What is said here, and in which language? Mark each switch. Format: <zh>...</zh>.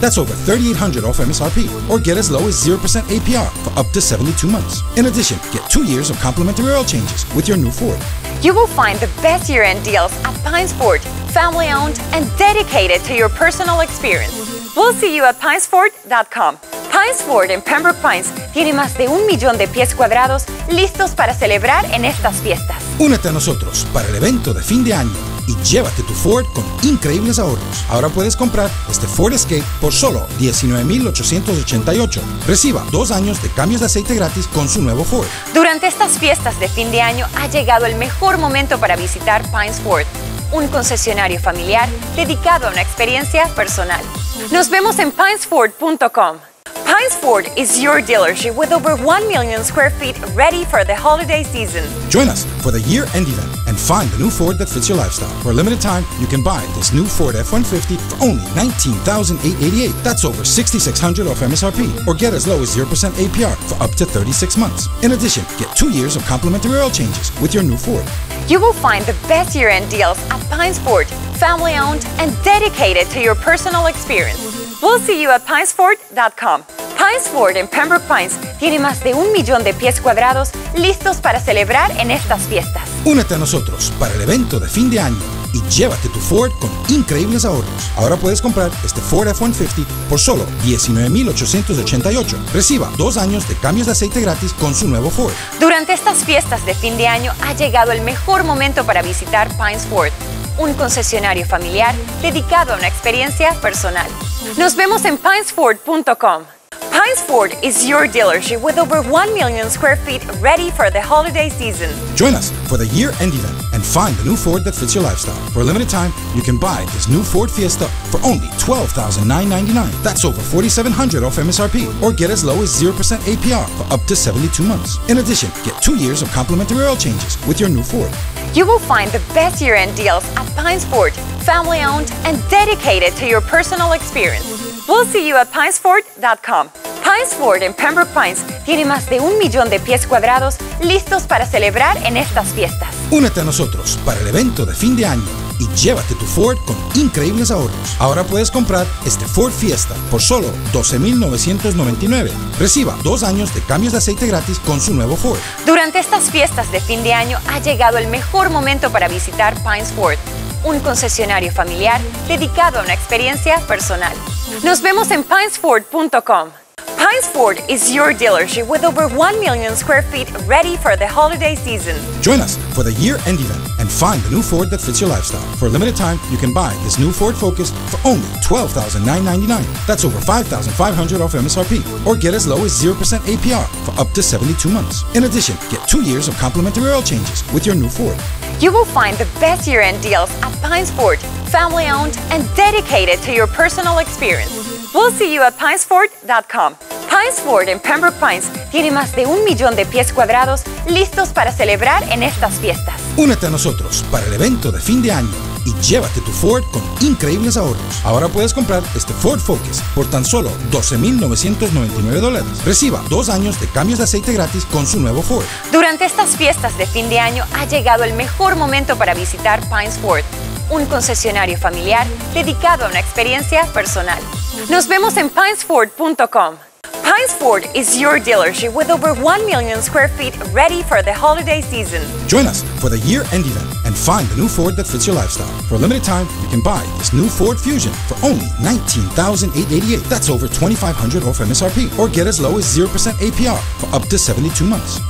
<en>That's over $3,800 off MSRP, or get as low as 0% APR for up to 72 months. In addition, get 2 years of complimentary oil changes with your new Ford. You will find the best year-end deals at Pines Ford, family-owned and dedicated to your personal experience. We'll see you at PinesFord.com.</en> <es>Pines Ford en Pembroke Pines tiene más de 1 millón de pies cuadrados listos para celebrar en estas fiestas. Únete a nosotros para el evento de fin de año y llévate tu Ford con increíbles ahorros. Ahora puedes comprar este Ford Escape por solo $19,888. Reciba 2 años de cambios de aceite gratis con su nuevo Ford. Durante estas fiestas de fin de año ha llegado el mejor momento para visitar Pines Ford, un concesionario familiar dedicado a una experiencia personal. Nos vemos en PinesFord.com.</es> <en>Pines Ford is your dealership with over 1 million square feet ready for the holiday season. Join us for the year-end event and find the new Ford that fits your lifestyle. For a limited time, you can buy this new Ford F-150 for only $19,888. That's over $6,600 off MSRP. Or get as low as 0% APR for up to 36 months. In addition, get 2 years of complimentary oil changes with your new Ford. You will find the best year-end deals at Pines Ford, family-owned and dedicated to your personal experience. We'll see you at PinesFord.com.</en> <es>Pines Ford en Pembroke Pines tiene más de 1 millón de pies cuadrados listos para celebrar en estas fiestas. Únete a nosotros para el evento de fin de año y llévate tu Ford con increíbles ahorros. Ahora puedes comprar este Ford F-150 por solo $19,888. Reciba 2 años de cambios de aceite gratis con su nuevo Ford. Durante estas fiestas de fin de año ha llegado el mejor momento para visitar Pines Ford, un concesionario familiar dedicado a una experiencia personal. Nos vemos en PinesFord.com.</es> <en>Pines Ford is your dealership with over 1 million square feet ready for the holiday season. Join us for the year-end event and find the new Ford that fits your lifestyle. For a limited time, you can buy this new Ford Fiesta for only $12,999. That's over $4,700 off MSRP. Or get as low as 0% APR for up to 72 months. In addition, get 2 years of complimentary oil changes with your new Ford. You will find the best year-end deals at Pines Ford, family-owned and dedicated to your personal experience. We'll see you at PinesFord.com.</en> <es>Pines Ford en Pembroke Pines tiene más de 1 millón de pies cuadrados listos para celebrar en estas fiestas. Únete a nosotros para el evento de fin de año y llévate tu Ford con increíbles ahorros. Ahora puedes comprar este Ford Fiesta por solo $12,999. Reciba 2 años de cambios de aceite gratis con su nuevo Ford. Durante estas fiestas de fin de año ha llegado el mejor momento para visitar Pines Ford, un concesionario familiar dedicado a una experiencia personal. Nos vemos en PinesFord.com.</es> <en>Pines Ford is your dealership with over 1 million square feet ready for the holiday season. Join us for the year-end event and find the new Ford that fits your lifestyle. For a limited time, you can buy this new Ford Focus for only $12,999. That's over $5,500 off MSRP. Or get as low as 0% APR for up to 72 months. In addition, get 2 years of complimentary oil changes with your new Ford. You will find the best year-end deals at Pines Ford, family-owned and dedicated to your personal experience. We'll see you at PinesFord.com.</en> <es>Pines Ford en Pembroke Pines tiene más de 1 millón de pies cuadrados listos para celebrar en estas fiestas. Únete a nosotros para el evento de fin de año y llévate tu Ford con increíbles ahorros. Ahora puedes comprar este Ford Focus por tan solo $12,999. Reciba 2 años de cambios de aceite gratis con su nuevo Ford. Durante estas fiestas de fin de año ha llegado el mejor momento para visitar Pines Ford, un concesionario familiar dedicado a una experiencia personal. Nos vemos en PinesFord.com.</es> <en>Pines Ford is your dealership with over 1 million square feet ready for the holiday season. Join us for the year-end event and find the new Ford that fits your lifestyle. For a limited time, you can buy this new Ford Fusion for only $19,888. That's over $2,500 off MSRP. Or get as low as 0% APR for up to 72 months.</en>